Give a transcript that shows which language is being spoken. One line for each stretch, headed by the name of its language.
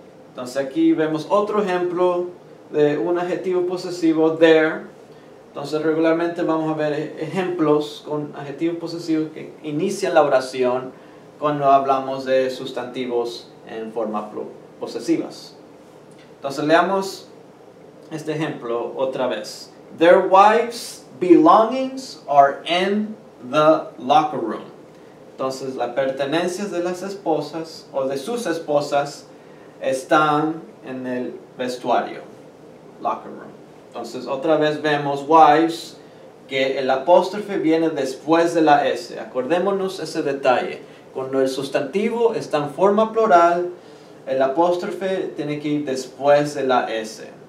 Spanish: Entonces aquí vemos otro ejemplo de un adjetivo posesivo, there. Entonces regularmente vamos a ver ejemplos con adjetivos posesivos que inician la oración cuando hablamos de sustantivos en forma posesivas. Entonces leamos este ejemplo otra vez.
English: Their wife's belongings are in the locker room.
Spanish: Entonces, las pertenencias de las esposas o de sus esposas están en el vestuario, locker room. Entonces, otra vez vemos wives, que el apóstrofe viene después de la S. Acordémonos ese detalle. Cuando el sustantivo está en forma plural, el apóstrofe tiene que ir después de la S.